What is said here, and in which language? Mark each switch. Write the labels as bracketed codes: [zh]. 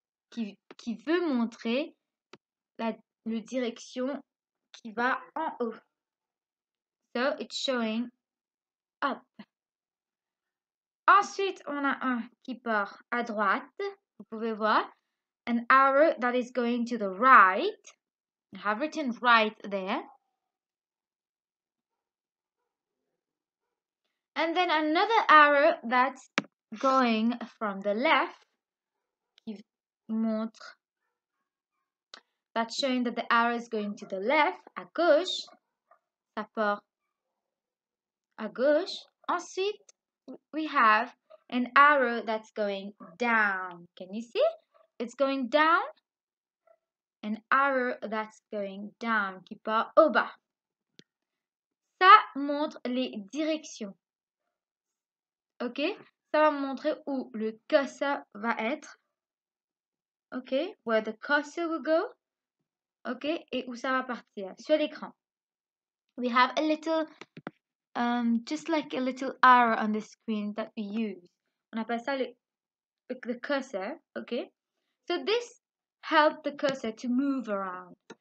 [fr] Qui veut montrer la direction qui va en haut. [en] So, it's showing up. [fr] Ensuite, on a un qui part à droite. Vous pouvez voir. [en] An arrow that is going to the right. I have written right there. And then another arrow that's going from the left, [fr] qui montre, [en] that's showing that the arrow is going to the left, [fr] à gauche, ça part à gauche. [en] Ensuite, we have an arrow that's going down. Can you see? It's going down. An arrow that's going down, [fr] qui part au bas. Ça montre les directions. OK? Ça va me montrer où le cursor va être. OK, [en] where the cursor will go. [fr] OK, et où ça va partir sur l'écran. [en] We have a little, just like a little arrow on the screen that we use. [fr] On appelle ça [en] the cursor, OK? So this helps the cursor to move around.